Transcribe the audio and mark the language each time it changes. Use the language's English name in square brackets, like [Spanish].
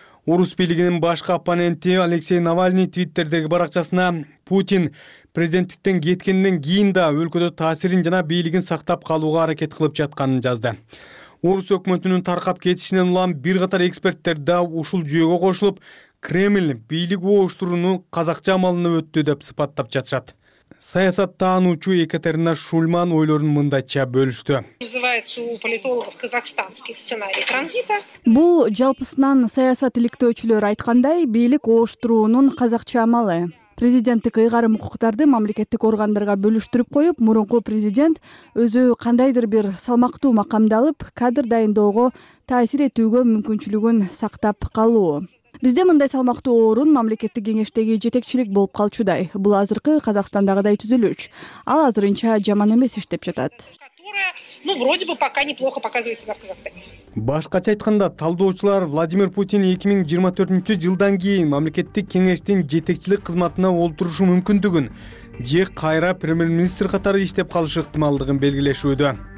[Kyrgyz] Орус бийлигинин башкы оппоненти Алексей Навальный Твиттердеги баракчасына Путин президенттиктен кеткенден кийин да өлкөдө таасирин жана бийлигин сактап калууга аракет кылып жатканын жазды. Орус өкмөтүнүн таркап кетишинен улам бир катар эксперттер да ушул жүйөгө кошулуп, Кремль бийлик ооштурууну казакча амалына өттү деп сыпаттап жатышат. Саясат таануучу Екатерина Шульман ойлорун мындайча бөлүштү. [Russian] Называется у политологов казахстанский сценарий транзита. [Kyrgyz] Бул жалпысынан саясат иликтөөчүлөр айткандай, бийлик ооштуруунун казакча амалы. Президенттик ыйгарым укуктарды мамлекеттик органдарга бөлүштүрүп коюп, мурунку президент өзү кандайдыр бир салмактуу макамды алып, кадр дайындоого таасир этүүгө мүмкүнчүлүгүн сактап калуу. Бизде мындай салмактуу орун мамлекеттик кеңештеги жетекчилик болуп калчудай. Бул азыркы Казакстандагыдай түзүлүш. Ал азырынча жаман эмес иштеп жатат. [Russian] Ну, вроде бы пока неплохо показывает себя в Казахстане. [Kyrgyz] Башкача айтканда, талдоочулар Владимир Путин 2024 жылдан кийин мамлекеттик кеңештин жетекчилик кызматына олтурушу мүмкүндүгүн же кайра премьер-министр катары иштеп калыш ыктымалдыгын белгилешүүдө.